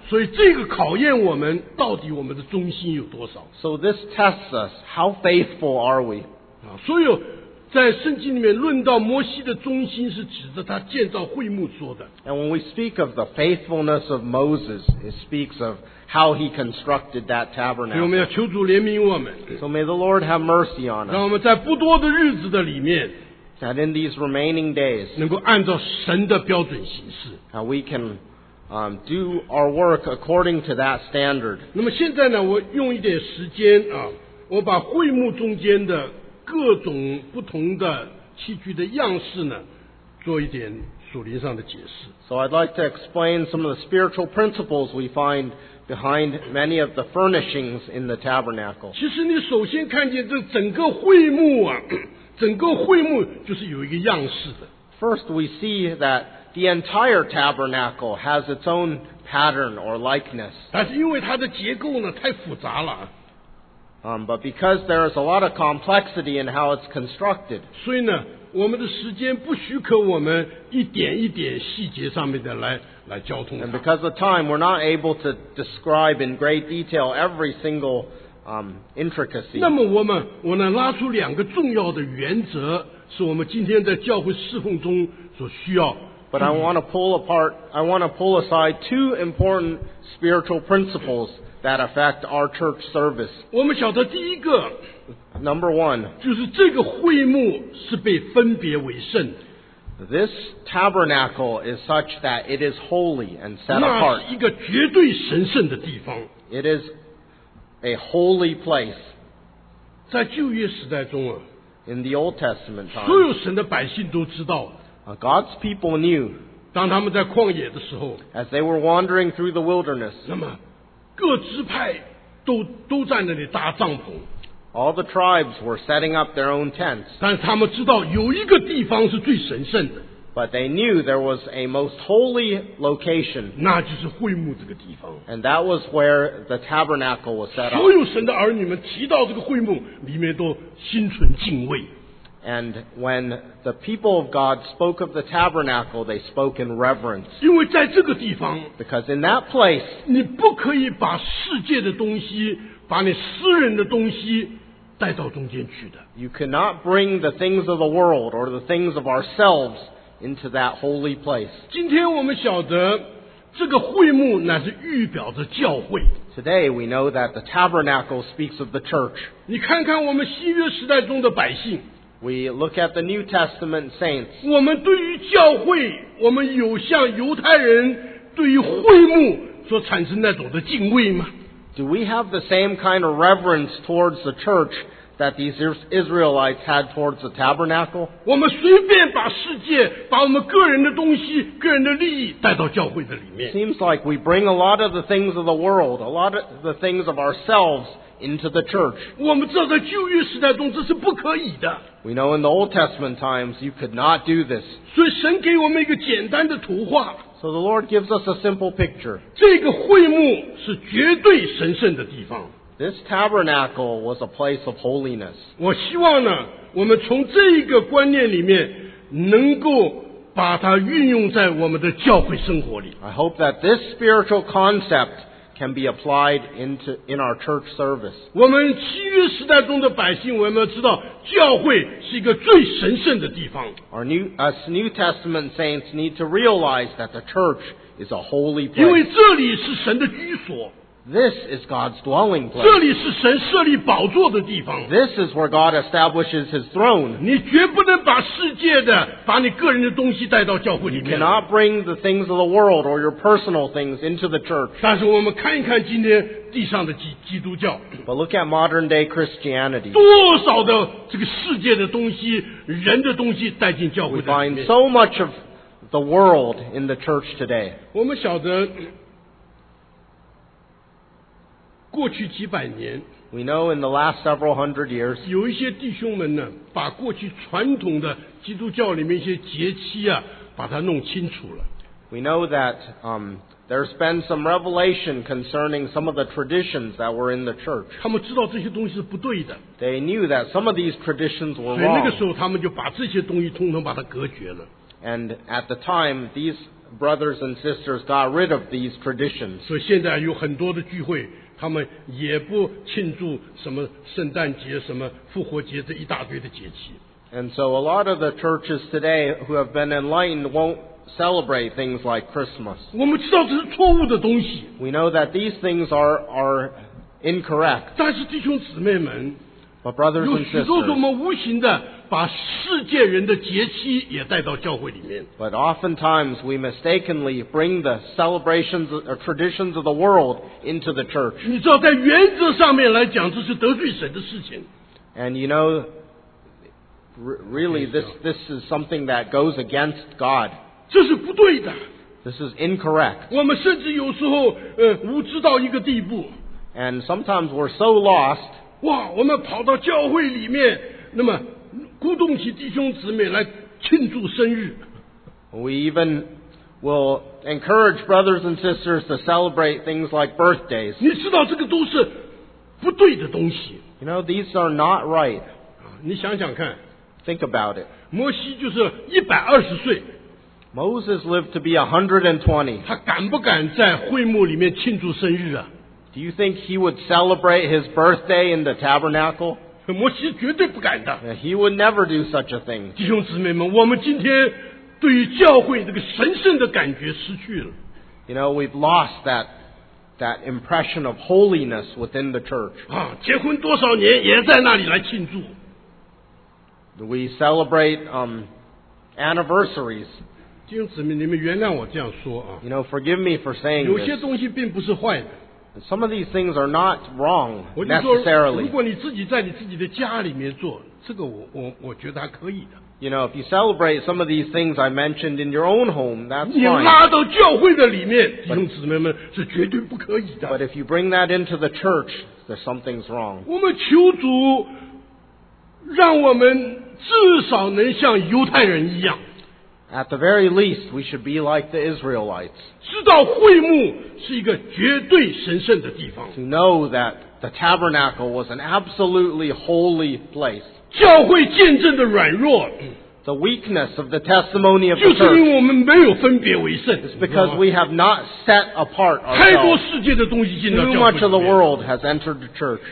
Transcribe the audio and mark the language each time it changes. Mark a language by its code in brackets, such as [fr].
[zh] 所以这个考验我们，到底我们的忠心有多少。 [en] So this tests us, how faithful are we? [zh] 所以在圣经里面论到摩西的忠心，是指着他建造会幕说的。 [en] And when we speak of the faithfulness of Moses, it speaks of how he constructed that tabernacle. [zh] 我们要求主怜悯我们。 [en] So may the Lord have mercy on us. [zh] 让我们在不多的日子的里面， [en] that in these remaining days, [zh] 能够按照神的标准行事。 [en] How we can, do our work according to that standard. [zh] 那么现在呢，我用一点时间啊，我把会幕中间的各种不同的器具的样式呢，做一点属灵上的解释。 [en] So I'd like to explain some of the spiritual principles we find behind many of the furnishings in the tabernacle. [zh] 其实你首先看见这整个会幕啊，整个会幕就是有一个样式的。 [en] First, we see that the entire tabernacle has its own pattern or likeness. [zh] 但是因为它的结构呢，太复杂了。 [en] But because there is a lot of complexity in how it's constructed, [zh] 所以呢，我们的时间不许可我们一点一点细节上面的来交通它。 [en] And because of time, we're not able to describe in great detail every single intricacy. [zh] 那么我呢拉出两个重要的原则，是我们今天在教会侍奉中所需要。 [en] But I want to pull aside two important spiritual principles that affect our church service. [zh] 我们晓得第一个， [en] number one, [zh] 就是这个会幕是被分别为圣。 [en] This tabernacle is such that it is holy and set apart. [zh] 那是一个绝对神圣的地方。 [en] It is a holy place. [zh] 在旧约时代中啊， [en] in the Old Testament time, [zh] 所有神的百姓都知道。 [en] God's people knew, [zh] 当他们在旷野的时候， [en] as they were wandering through the wilderness, [zh] 那么各支派都在那里搭帐篷。 [en] All the tribes were setting up their own tents. [zh] 但是他们知道有一个地方是最神圣的。 [en] But they knew there was a most holy location. [zh] 那就是会幕这个地方。 [en] And that was where the tabernacle was set up. [zh] 所有神的儿女们提到这个会幕，里面都心存敬畏。 [en] And when the people of God spoke of the tabernacle, they spoke in reverence. [zh] 因为在这个地方， [en] because in that place, [zh] 你不可以把世界的东西，把你私人的东西带到中间去的。 [en] You cannot bring the things of the world or the things of ourselves into that holy place. [zh] 今天我们晓得这个会幕乃是预表着教会。 [en] Today we know that the tabernacle speaks of the church. [zh] 你看看我们新约时代中的百姓。 [en] We look at the New Testament saints. [zh] 我们对于教会，我们有像犹太人对于会幕所产生那种的敬畏吗？ [en] Do we have the same kind of reverence towards the church that these Israelites had towards the tabernacle? [zh] 我们随便把世界，把我们个人的东西，个人的利益带到教会的里面。 [en] Seems like we bring a lot of the things of the world, a lot of the things of ourselves into the church. [zh] 我们这个旧约时代中这是不可以的。 [en] We know in the Old Testament times you could not do this. [zh] 所以神给我们一个简单的图画。 [en] So the Lord gives us a simple picture. [zh] 这个会幕是绝对神圣的地方。 [en] This tabernacle was a place of holiness. [zh] 我希望呢，我们从这个观念里面能够把它运用在我们的教会生活里。 [en] I hope that this spiritual concept can be applied in our church service. [zh] 我们新约时代中的百姓，我们知道教会是一个最神圣的地方。 [en] Our New Testament saints need to realize that the church is a holy place. [zh] 因为这里是神的居所。 [en] This is God's dwelling place. [zh] 这里是神设立宝座的地方。 [en] This is where God establishes His throne. [zh] 你绝不能把世界的，把你个人的东西带到教会里面。 [en] You cannot bring the things of the world or your personal things into the church. [zh] 但是我们看一看今天地上的基督教。 [en] But look at modern day Christianity. [zh] 多少的这个世界的东西，人的东西带进教会里面。 [en] We find so much of the world in the church today. [zh] 我们晓得过去几百年， [en] We know in the last several hundred years, [zh] 有一些弟兄们呢，把过去传统的基督教里面一些节期啊，把它弄清楚了。 [en] We know that, there's been some revelation concerning some of the traditions that were in the church. [zh] 他们知道这些东西是不对的。 [en] They knew that some of these traditions were wrong. [zh] 所以那个时候他们就把这些东西统统把它隔绝了。 [en] And at the time, these brothers and sisters got rid of these traditions. [zh] 所以现在有很多的聚会他们也不庆祝什么圣诞节、什么复活节这一大堆的节期。 [en] And so a lot of the churches today who have been enlightened won't celebrate things like Christmas. [zh] 我们知道这是错误的东西。 [en] We know that these things are incorrect. [zh] 但是弟兄姊妹们， [en] But brothers and sisters, [zh] 有许多我们无形的把世界人的节期也带到教会里面。 [en] But oftentimes we mistakenly bring the celebrations or traditions of the world into the church. [zh] 你知道在原则上面来讲，这是得罪神的事情。 [en] And you know, really, this is something that goes against God. [zh] 这是不对的。 [en] This is incorrect. [zh] 我们甚至有时候无知到一个地步。 [en] And sometimes we're so lost. [zh] 哇，我们跑到教会里面，那么鼓动起弟兄姊妹来庆祝生日。 [en] We even will encourage brothers and sisters to celebrate things like birthdays. [zh] 你知道这个都是不对的东西。 [en] You know, these are not right. [zh] 你想想看。 [en] Think about it. [zh] 摩西就是120岁。 [en] Moses lived to be 120. [zh] 他敢不敢在会幕里面庆祝生日啊？ [en] Do you think he would celebrate his birthday in the tabernacle? [zh] 摩西绝对不敢的。 [en] He would never do such a thing. [zh] 弟兄姊妹们，我们今天对于教会这个神圣的感觉失去了。 [en] You know, we've lost that impression of holiness within the church. [zh] 啊，结婚多少年也在那里来庆祝。 [en] We celebrate anniversaries. [zh] 弟兄姊妹，你们原谅我这样说啊。 [en] You know, forgive me for saying [zh] this. 有些东西并不是坏的。 [en] Some of these things are not wrong necessarily. [zh] 如果你自己在你自己的家里面做，这个我觉得还可以的。 [en] You know, if you celebrate some of these things I mentioned in your own home, that's fine. [zh] 你拉到教会的里面，弟兄姊妹们是绝对不可以的。 [en] But if you bring that into the church, there's something's wrong. [zh] 我们求主让我们至少能像犹太人一样。 [en] At the very least, we should be like the Israelites. [zh] 知道会幕是一个绝对神圣的地方。 [en] To know that the tabernacle was an absolutely holy place. [zh] 教会见证的软弱。 [en] The weakness of the testimony of the church. [zh] 就是因为我们没有分别为圣。 [en] It's because we have not set apart ourselves. [zh] 太多世界的东西进到教会里面。 [en] Too much of the world has entered the church.